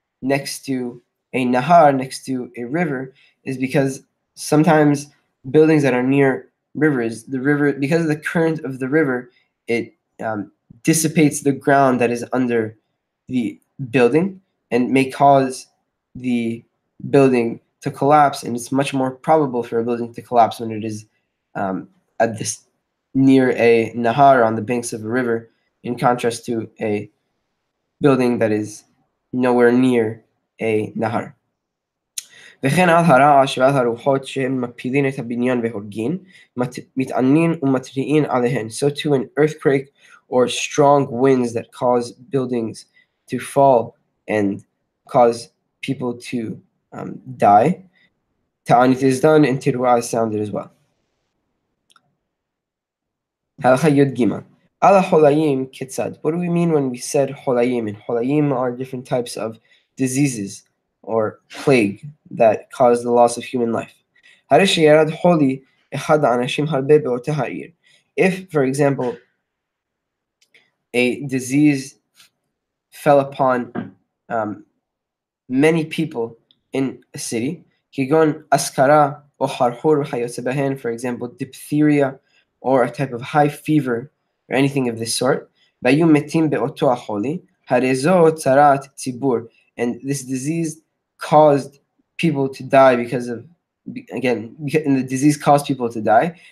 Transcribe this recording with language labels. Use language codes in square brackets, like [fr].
[en] next to a nahar, next to a river, is because sometimes buildings that are near rivers, the river, because of the current of the river, it dissipates the ground that is under the building and may cause the building to collapse. And it's much more probable for a building to collapse when it is at this near a nahar, on the banks of a river, in contrast to a building that is nowhere near a nahar. [he] וכן על הרעש ועל הרוחות שהם מפילים את הבניין והורגים, מתעננים ומתריעים עליהן. [en] So too an earthquake or strong winds that cause buildings to fall and cause people to die. תענית is done and תרועה is sounded as well. [he] הלכה י"ג. על החולאים כיצד? [en] What do we mean when we said חולאים? And חולאים are different types of diseases or plague that caused the loss of human life. [he] הרי שירד חולי אחד האנשים הרבה באותה העיר. [en] If, for example, a disease fell upon many people in a city, [he] כגון אסכרה או חרחור וחיוצא בהן, [en] for example, diphtheria or a type of high fever or anything of this sort, [he] והיו מתים באותו החולי, הרי זו צרת ציבור, [en] and this disease caused people to die because of, again, and the disease caused people to die.